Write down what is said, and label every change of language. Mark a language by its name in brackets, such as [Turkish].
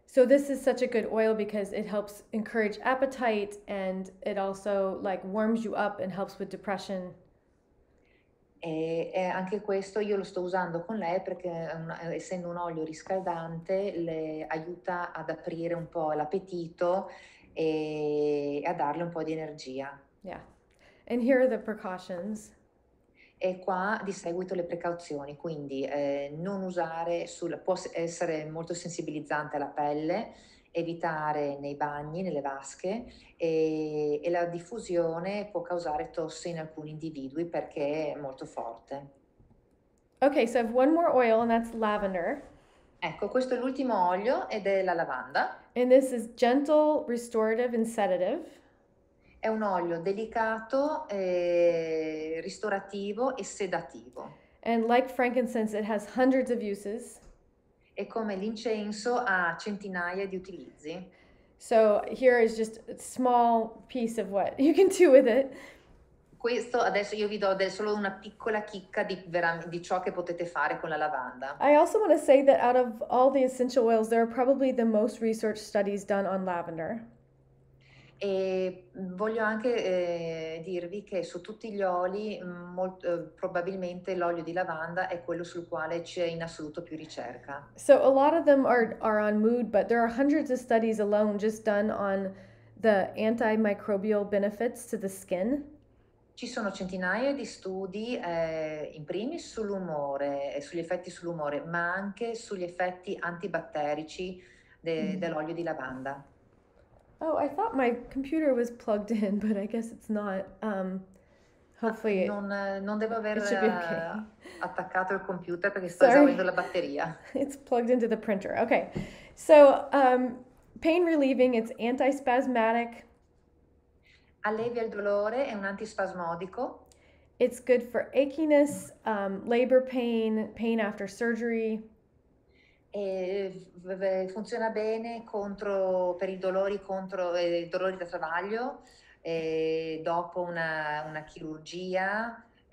[English] So this is such a good oil because it helps encourage appetite and it also like warms you up and helps with depression. [Italian] E anche questo io lo sto usando con lei perché essendo un olio riscaldante le aiuta ad aprire un po' l'appetito e a darle un po' di energia. [English] Yeah, and here are the precautions. [Italian] E qua di seguito le precauzioni, quindi non usare può essere molto sensibilizzante alla pelle, evitare nei bagni, nelle vasche e la diffusione può causare tosse in alcuni individui perché è molto forte. [English] Okay, so I have one more oil and that's lavender. [Italian] Ecco, questo è l'ultimo olio ed è la lavanda. [English] And this is gentle, restorative and sedative. [Italian] È un olio delicato, ristorativo e sedativo. [English] And like frankincense, it has hundreds of uses. [Italian] E come l'incenso ha centinaia di utilizzi. [English] So here is just a small piece of what you can do with it. [Italian] Questo adesso io vi do solo una piccola chicca di ciò che potete fare con la lavanda. [English] I also want to say that out of all the essential oils, there are probably the most research studies done on lavender. [Italian] E voglio anche dirvi che su tutti gli oli, probabilmente l'olio di lavanda è quello sul quale c'è in assoluto più ricerca. [English] So a lot of them are on mood, but there are hundreds of studies alone just done on the antimicrobial benefits to the skin. [Italian] Ci sono centinaia di studi, in primis sull'umore e sugli effetti sull'umore, ma anche sugli effetti antibatterici dell'olio di lavanda. [English] Oh, I thought my computer was plugged in, but I guess it's not. Hopefully [Italian] non devo aver attaccato il computer perché sto esaurendo la batteria. [English] It's plugged into the printer. Okay. So, pain relieving, it's antispasmatic. [Italian] Allevia il dolore, è un antispasmodico. [English] It's good for achiness, labor pain, pain after surgery. [Italian] E funziona bene contro per i dolori contro dolori da travaglio dopo una chirurgia.